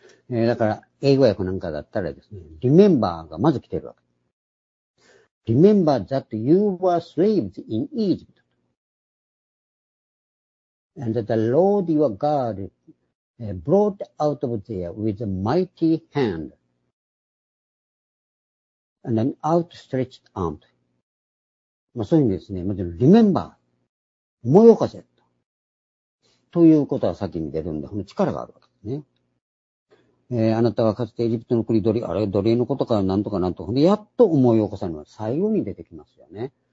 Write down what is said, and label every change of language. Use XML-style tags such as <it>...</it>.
<ja>だから、英語訳なんかだったらですね、remember がまず来てるわけ。</ja> <en>remember that you were slaves in Egypt. And that the Lord your God brought out of there with a mighty hand. And an outstretched arm.</en> <ja>まあ、そういうふうにですね、まず remember。思い起こせ。ということは先に出るんで、この力があるわけですね。あなたはかつてエジプトの国奴隷、あれ奴隷のことかなんとかなんとか。で、やっと思い起こされるのは最後に出てきますよね。</ja>